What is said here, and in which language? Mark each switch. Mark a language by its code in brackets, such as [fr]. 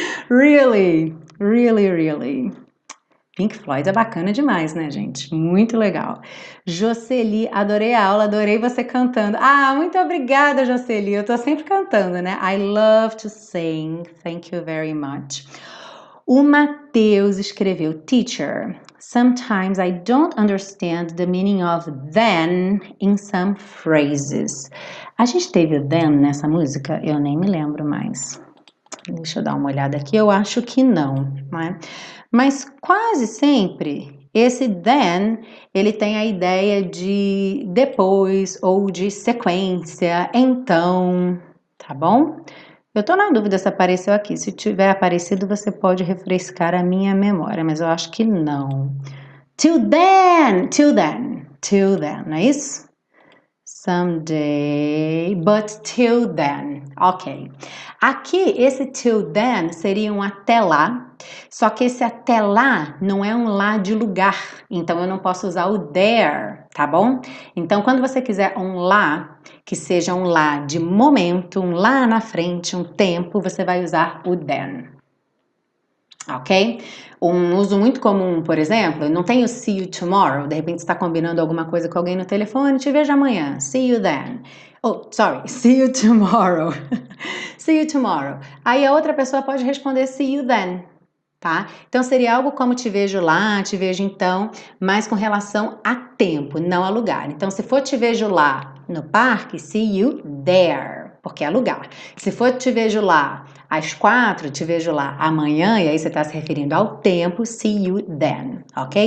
[en] Really, really, really. [pt] Pink Floyd é bacana demais, né, gente? Muito legal. Jocely, adorei a aula, adorei você cantando. Ah, muito obrigada, Jocely. Eu tô sempre cantando, né? [en] I love to sing. Thank you very much. [pt] O Matheus escreveu: [en] Teacher, sometimes I don't understand the meaning of then in some phrases. [pt] A gente teve o then nessa música? Eu nem me lembro mais. Deixa eu dar uma olhada aqui. Eu acho que não, né? Mas quase sempre esse then ele tem a ideia de depois ou de sequência, então, tá bom? Eu tô na dúvida se apareceu aqui. Se tiver aparecido, você pode refrescar a minha memória, mas eu acho que não. [en] Till then, till then, till then, [pt] não é isso? [en] Someday, but till then. Ok. [pt] Aqui, esse till then seria um até lá, só que esse até lá não é um lá de lugar, então eu não posso usar o there, tá bom? Então, quando você quiser um lá, que seja um lá de momento, um lá na frente, um tempo, você vai usar o then. Ok? Um uso muito comum, por exemplo, não tem o [en] see you tomorrow, [pt] de repente você está combinando alguma coisa com alguém no telefone, te vejo amanhã. [en] See you then. Oh, sorry, see you tomorrow. See you tomorrow. [pt] Aí a outra pessoa pode responder [en] see you then, [pt] tá? Então seria algo como te vejo lá, te vejo então, mas com relação a tempo, não a lugar. Então se for te vejo lá no parque, [en] see you there, [pt] porque é lugar. Se for te vejo lá às 4, te vejo lá amanhã, e aí você está se referindo ao tempo, [en] see you then, [pt] ok?